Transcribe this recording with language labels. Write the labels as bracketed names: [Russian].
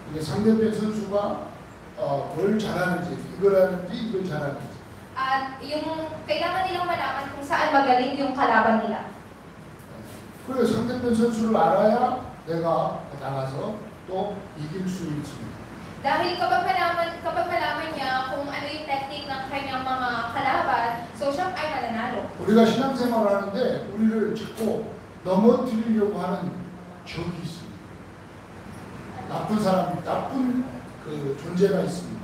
[Korean] 이게 상대편 선수가 뭘 잘하는지 이걸 하는지 이걸 잘하는지. [Filipino] At yung kailangan nilang malaman kung saan magaling yung kalaban nila. [Korean] 그래 상대편 선수를 알아야 내가 나가서 또 이길 수 있습니다. [Filipino] Dahil kapag malaman niya kung ano yung tactic ng kanyang mga kalaban, so siya ay mananalo. [Korean] 우리가 신앙생활 하는데 우리를 짓고 넘어뜨리려고 하는 적이 있습니다. 나쁜 사람, 나쁜 그 존재가 있습니다.